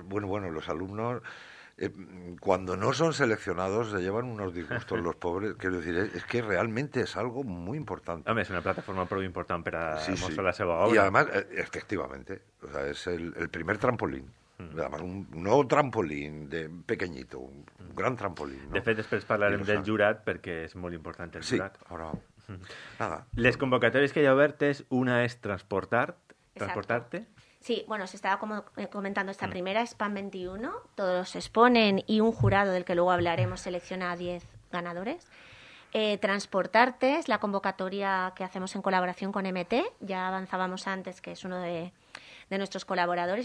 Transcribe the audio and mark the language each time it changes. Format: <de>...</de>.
<es>Bueno, los alumnos, cuando no son seleccionados, se llevan unos disgustos los pobres. Quiero decir, es que realmente es algo muy importante. Hombre, es una plataforma muy importante para mostrar</es> <ca>la seva obra.</ca> <es>Y además, efectivamente, o sea, es el primer trampolín. Además, no un trampolín de pequeñito, un gran trampolín, ¿no?</es> <ca>De fet, després parlarem del jurat, perquè és molt important el jurat. Sí, ara. Les convocatòries que hi ha obertes, una és transportarte.</ca> <es>Sí, bueno, se estaba comentando esta primera, es PAM 21, todos exponen y un jurado del que luego hablaremos selecciona a 10 ganadores. Transportarte es la convocatoria que hacemos en colaboración con MT, ya avanzábamos antes, que es uno de nuestros colaboradores.</es>